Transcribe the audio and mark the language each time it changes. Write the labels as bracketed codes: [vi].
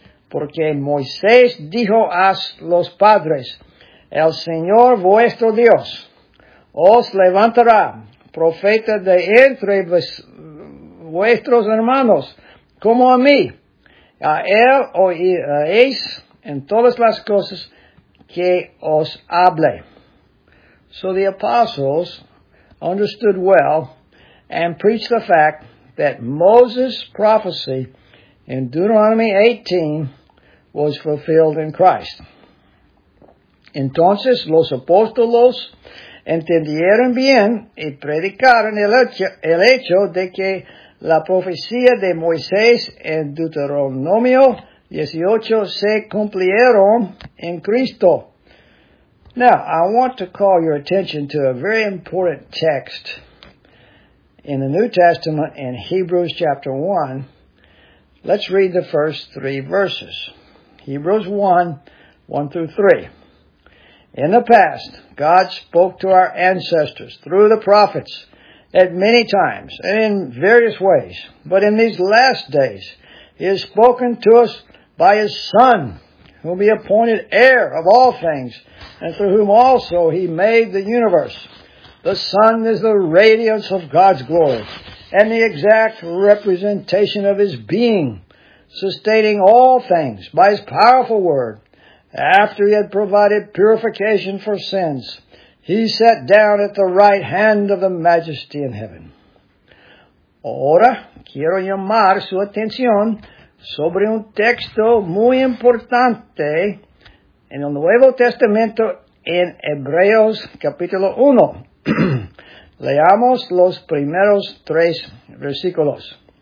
[es] porque Moisés dijo a los padres, el Señor vuestro Dios os levantará profeta de entre vuestros hermanos, como a mí, a él oiréis en todas las cosas que os hable. [en] So the apostles understood well and preached the fact that Moses' prophecy in Deuteronomy 18 was fulfilled in Christ. [es] Entonces los apóstolos entendieron bien y predicaron el hecho de que la profecía de Moisés en Deuteronomio 18 se cumplieron en Cristo. [en] Now, I want to call your attention to a very important text in the New Testament in Hebrews chapter 1. Let's read the first three verses. Hebrews 1, 1 through 3. In the past, God spoke to our ancestors through the prophets at many times and in various ways. But in these last days, he has spoken to us by his Son, whom he appointed heir of all things, and through whom also he made the universe. The Son is the radiance of God's glory and the exact representation of his being, sustaining all things by his powerful word. After he had provided purification for sins, he sat down at the right hand of the majesty in heaven. [es] Ahora quiero llamar su atención sobre un texto muy importante en el Nuevo Testamento en Hebreos capítulo 1. Leamos los primeros tres versículos.